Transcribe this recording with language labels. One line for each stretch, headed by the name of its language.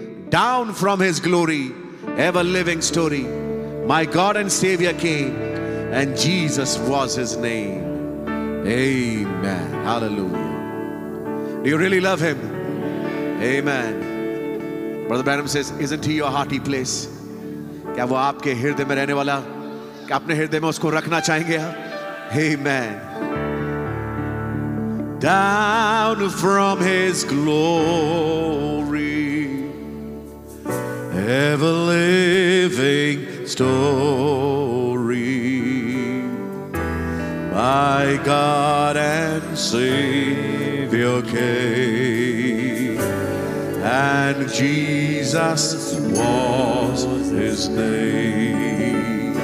English: Down from His glory, ever living story. My God and Savior came, and Jesus was His name. Amen. Hallelujah. Do you really love Him? Amen. Brother Branham says, isn't He your hearty place?
Hindi: क्या वो आपके हृदय में रहने वाला? क्या अपने हृदय में उसको रखना चाहेंगे?
English: Amen. Down from His glory, ever living story, my God and Savior came, and Jesus was His name.